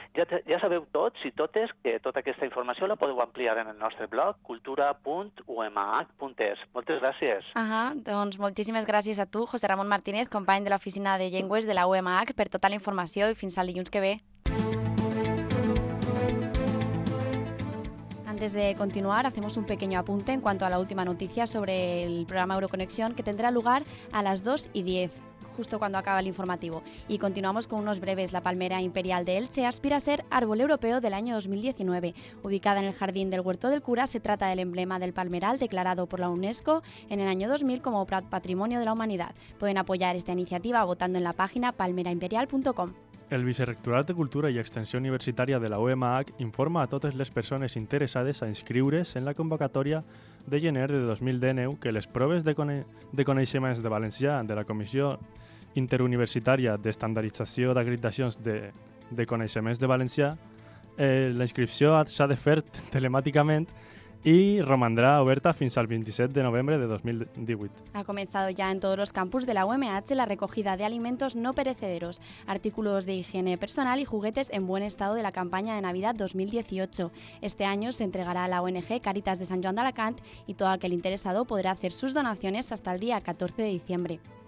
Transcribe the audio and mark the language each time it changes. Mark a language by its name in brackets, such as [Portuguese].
[Catalan] Ja sabeu tots i totes que tota aquesta informació la podeu ampliar en el nostre blog cultura.umh.es. Moltes gràcies. Doncs moltíssimes gràcies a tu, José Ramón Martínez, company de l'Oficina de Llengües de la UMH, per tota la informació i fins al dilluns que ve. [Spanish] Antes de continuar, hacemos un pequeño apunte en cuanto a la última noticia sobre el programa Euroconexión que tendrá lugar a las 2 y 10, justo cuando acaba el informativo. Y continuamos con unos breves. La palmera imperial de Elche aspira a ser árbol europeo del año 2019. Ubicada en el jardín del Huerto del Cura, se trata del emblema del palmeral declarado por la UNESCO en el año 2000 como Patrimonio de la Humanidad. Pueden apoyar esta iniciativa votando en la página palmeraimperial.com. [Catalan] El Vicerrectorat de Cultura i Extensió Universitària de la UMH informa a totes les persones interessades a inscriure's en la convocatòria de gener de 2019 que les proves de coneixements de valencià de la Comissió Interuniversitària d'Estandardització d'Acreditacions de Coneixements de Valencià, la inscripció s'ha de fer telemàticament y romandrá oberta fins al 27 de novembre de 2018. [Spanish] Ha comenzado ya en todos los campus de la UMH la recogida de alimentos no perecederos, artículos de higiene personal y juguetes en buen estado de la campaña de Navidad 2018. Este año se entregará a la ONG Cáritas de San Joan de Alacant y todo aquel interesado podrá hacer sus donaciones hasta el día 14 de diciembre.